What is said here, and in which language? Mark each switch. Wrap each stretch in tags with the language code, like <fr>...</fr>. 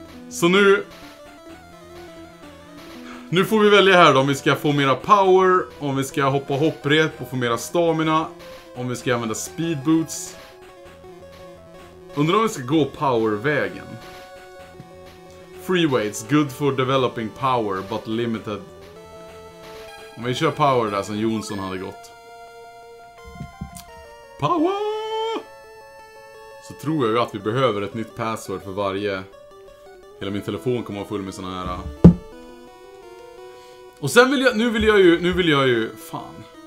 <sv>Så nu... Nu får vi välja här då. Om vi ska få mera power. Om vi ska hoppa hopprep och få mera stamina. Om vi ska använda speed boots. Undrar om vi ska gå powervägen.</sv> <en>Free weights, good for developing power, but limited.</en> <sv>Om vi kör power där som Jonsson hade gått. Power! Så tror jag ju att vi behöver ett nytt password för varje. Hela min telefon kommer att vara full med såna här. Och sen vill jag, nu vill jag ju, fan.</sv>